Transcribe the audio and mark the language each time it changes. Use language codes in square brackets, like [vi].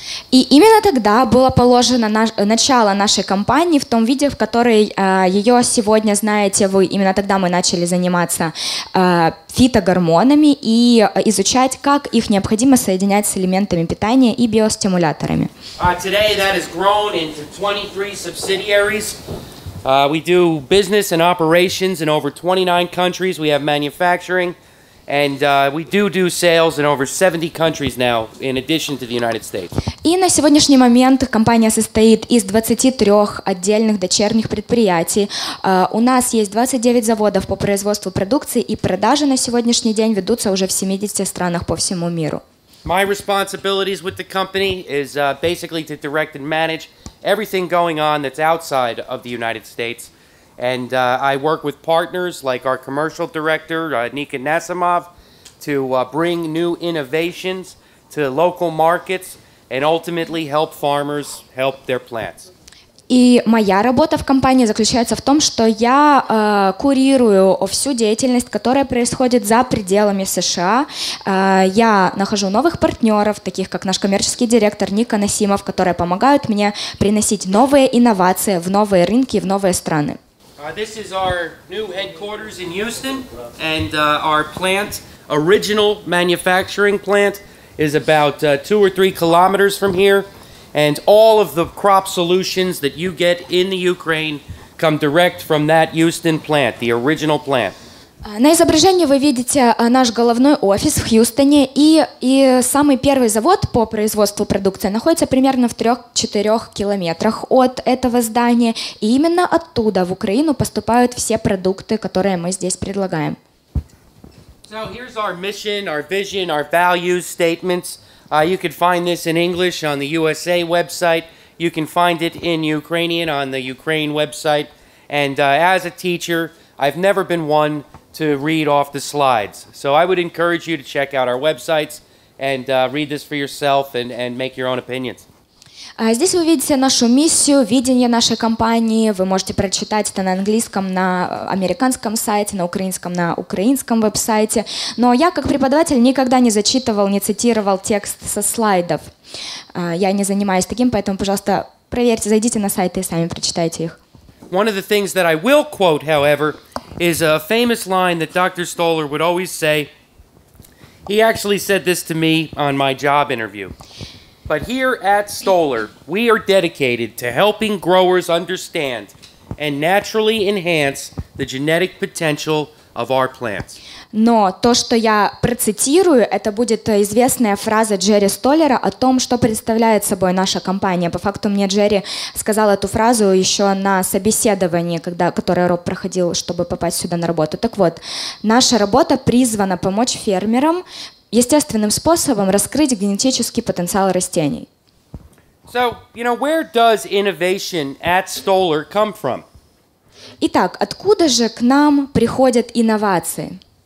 [ru] И именно тогда было положено начало нашей компании в том виде, в который ее сегодня знаете вы. Именно тогда мы начали заниматься фитогормонами и изучать, как их необходимо соединять с элементами питания и биостимуляторами. [en] Today that has grown into 23 subsidiaries. We do business and operations in over 29 countries. We have manufacturing. And we do sales in over 70 countries now, in addition to the United States. [ru] И на сегодняшний момент компания состоит из 23 отдельных дочерних предприятий. У нас есть 29 заводов по производству продукции, и продажи на сегодняшний день ведутся уже в 70 странах по всему миру. [en] My responsibilities with the company is basically to direct and manage everything going on that's outside of the United States. And I work with partners like our commercial director, Nika Nasimov, to bring new innovations to local markets and ultimately help farmers help their plants. [ru] И моя работа в компании заключается в том, что я курирую всю деятельность, которая происходит за пределами США. Я нахожу новых партнеров, таких как наш коммерческий директор Ника Насимов, которые помогают мне приносить новые инновации в новые рынки и в новые страны. [en] This is our new headquarters in Houston, and our plant, original manufacturing plant, is about 2 or 3 kilometers from here, and all of the crop solutions that you get in the Ukraine come direct from that Houston plant, the original plant. [ru] На изображении вы видите наш головной офис в Хьюстоне, и самый первый завод по производству продукции находится примерно в 3-4 километрах от этого здания, и именно оттуда в Украину поступают все продукты, которые мы здесь предлагаем. [en] So here's our mission, our vision, our values statements. You can find this in English on the USA website. You can find it in Ukrainian on the Ukraine website. And as a teacher, I've never been one to read off the slides. So I would encourage you to check out our websites and read this for yourself and make your own opinions. [ru] Здесь вы видите нашу миссию, видение нашей компании. Вы можете прочитать это на английском, на американском сайте, на украинском веб-сайте. Но я, как преподаватель, никогда не зачитывал, не цитировал текст со слайдов. Я не занимаюсь таким, поэтому, пожалуйста, проверьте, зайдите на сайты и сами прочитайте их. [en] One of the things that I will quote, however, is a famous line that Dr. Stoller would always say. He actually said this to me on my job interview. But here at Stoller, we are dedicated to helping growers understand and naturally enhance the genetic potential of our plants. [ru] Но то, что я процитирую, это будет известная фраза Джерри Столлера о том, что представляет собой наша компания. По факту мне Джерри сказал эту фразу еще на собеседовании, которое Роб проходил, чтобы попасть сюда на работу. Так вот, наша работа призвана помочь фермерам естественным способом раскрыть генетический потенциал растений. [en] So, you know, where does innovation at Stoller come from? [ru] Итак, откуда же к нам приходят инновации?